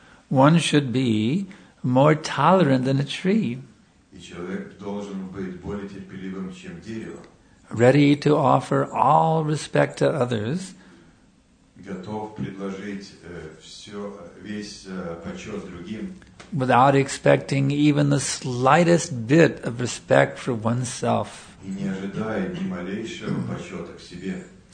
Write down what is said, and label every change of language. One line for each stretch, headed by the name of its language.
English: One should be more tolerant than a tree.
Russian: И человек должен быть более терпеливым, чем дерево.
English: Ready to offer all respect to others.
Russian: Готов предложить весь почет другим.
English: Without expecting even the slightest bit of respect for oneself.
Russian: И не ожидая ни малейшего почета к себе.